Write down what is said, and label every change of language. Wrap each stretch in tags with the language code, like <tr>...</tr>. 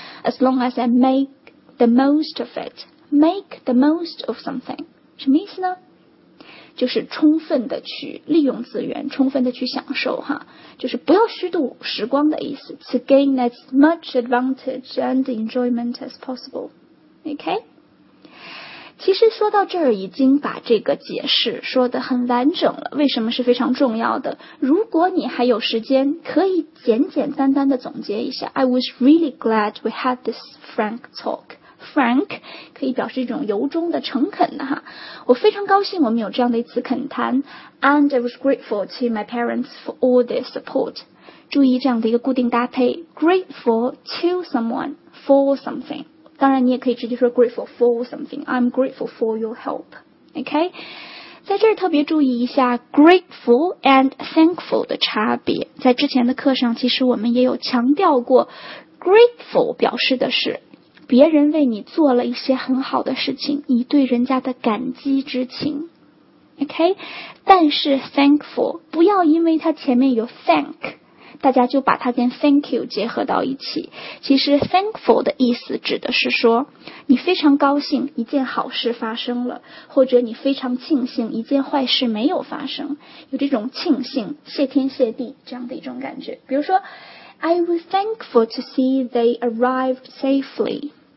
<en>As long as I make the most of it. Make the most of something.</en> <zh>什么意思呢？就是充分的去利用资源，充分的去享受哈，就是不要虚度时光的意思。</zh> <en>To gain as much advantage and enjoyment as possible. Okay?</en> <zh>其实说到这儿已经把这个解释说得很完整了，为什么是非常重要的？如果你还有时间，可以简简单单的总结一下。</zh> <en>I was really glad we had this frank talk.</en> <zh>Frank 可以表示一种由衷的诚恳的哈，我非常高兴我们有这样的一次恳谈。</zh> <en>And I was grateful to my parents for all their support.</en> <zh>注意这样的一个固定搭配，</zh> <en>grateful to someone for something.</en> <zh>当然你也可以直接说</zh> <en>grateful for something. I'm grateful for your help.</en> <zh>OK, 在这儿特别注意一下 grateful and thankful 的差别。在之前的课上其实我们也有强调过， grateful 表示的是别人为你做了一些很好的事情，你对人家的感激之情。 OK? 但是 thankful 不要因为它前面有 thank, 大家就把它跟 thank you 结合到一起。其实 thankful 的意思指的是说你非常高兴一件好事发生了，或者你非常庆幸一件坏事没有发生，有这种庆幸谢天谢地这样的一种感觉。比如说</zh> <en>I was thankful to see they arrived safely.</en>